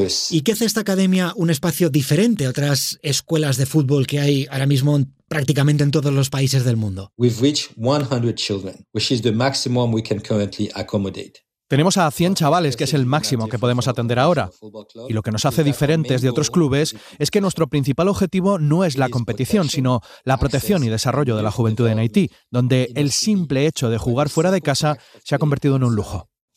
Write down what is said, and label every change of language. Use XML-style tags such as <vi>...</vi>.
<es>¿Y qué hace esta academia un espacio diferente a otras escuelas de fútbol que hay ahora mismo en prácticamente en todos los países del mundo?</es> <en>We've reached 100 children, which is the maximum we can currently accommodate.</en> <es>Tenemos a 100 chavales, que es el máximo que podemos atender ahora. Y lo que nos hace diferentes de otros clubes es que nuestro principal objetivo no es la competición, sino la protección y desarrollo de la juventud en Haití, donde el simple hecho de jugar fuera de casa se ha convertido en un lujo.</es>